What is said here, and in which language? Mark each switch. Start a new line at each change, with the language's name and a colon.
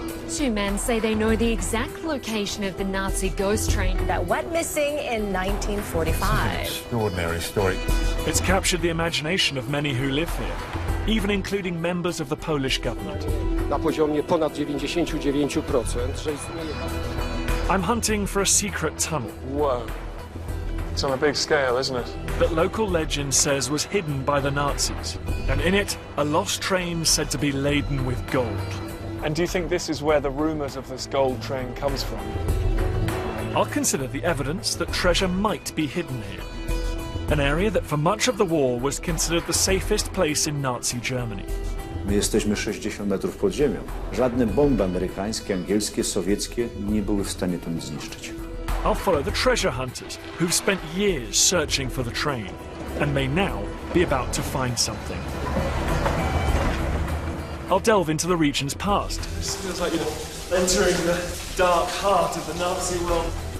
English: Two men say they know the exact location of the Nazi ghost train that went missing in 1945. It's an extraordinary story. It's captured the imagination of many who live here, even including members of the Polish government.
Polish: Na poziomie ponad 99%, że istnieje.
English: I'm hunting for a secret tunnel. Whoa. It's on a big scale, isn't it? That local legend says was hidden by the Nazis. And in it, a lost train said to be laden with gold. And do you think this is where the rumours of this gold train comes from? I'll consider the evidence that treasure might be hidden here. An area that for much of the war was considered the safest place in Nazi Germany.
Polish: My jesteśmy 60 metrów pod ziemią. Żadne bomby amerykańskie, angielskie, sowieckie nie były w stanie to nic zniszczyć.
English: I'll follow the treasure hunters who've spent years searching for the train and may now be about to find something. I'll delve into the region's past. This feels like you're entering the dark heart of the Nazi world.